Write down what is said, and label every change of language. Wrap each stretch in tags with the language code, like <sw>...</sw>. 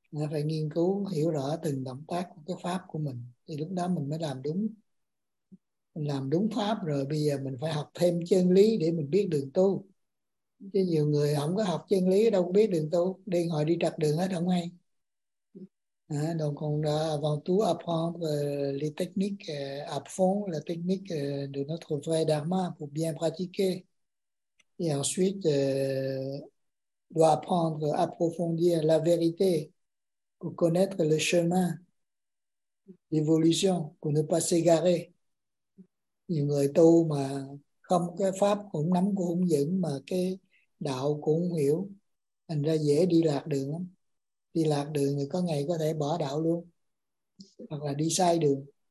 <vi>Phải nghiên cứu, hiểu rõ từng động tác của cái pháp của mình. Thì lúc đó mình mới làm đúng. Mình làm đúng pháp rồi, bây giờ mình phải học thêm chân lý để mình biết đường tu. Chứ nhiều người không có học chân lý đâu biết đường tu. Đi ngồi đi trật đường hết không hay.</vi> <fr>Donc on a avant tout apprendre les techniques à fond, la technique de notre vrai dharma pour bien pratiquer. Et ensuite, doit apprendre, approfondir la vérité pour connaître le chemin d'évolution, pour ne pas s'égarer.</fr> <vi>Nhiều người tu mà không cái pháp cũng nắm cũng vững mà cái đạo cũng hiểu, thành ra dễ đi lạc đường lắm. Đi lạc đường thì có ngày có thể bỏ đạo luôn, hoặc là đi sai đường.</vi>